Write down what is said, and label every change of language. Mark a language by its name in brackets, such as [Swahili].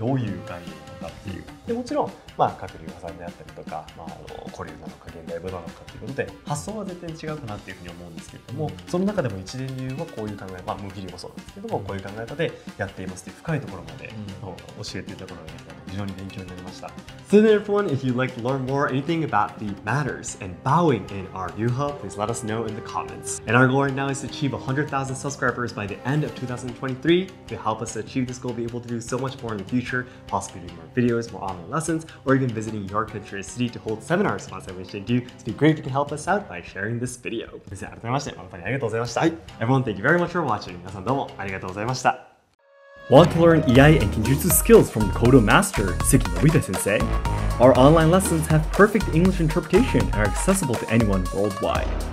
[Japanese] どういう概念なのかっていう。でもちろん、まあ、各流派さんであったりとか、まあ、古流なのか現代武道なのかっていうことで発想は絶対違うかなっていうふうに思うんですけれども、その中でも一連流はこういう考え、まあ無義理もそうなんですけども、こういう考え方でやっていますっていう深いところまで、教えていたところが非常に勉強になりました。 [English] So then everyone, if you'd like to learn more anything about the matters and bowing in our ryuha, please let us know in the comments. And our goal right now is to achieve 100,000 subscribers by the end of 2023. To help us achieve this goal, we'll be able to do so much more in the future, possibly doing more videos, more online lessons, or even visiting your country or city to hold seminars sponsored by Ichiden Ryu. It'd be great if you can help us out by sharing this video. [Japanese] 先生、ありがとうございました。本当にありがとうございました。 [English] Everyone, thank you very much for watching. [Japanese] 皆さんどうもありがとうございました。 [English] Want to learn Iai and Kenjutsu skills from Kobudo Master, Seki Nobita-sensei? Our online lessons have perfect English interpretation and are accessible to anyone worldwide.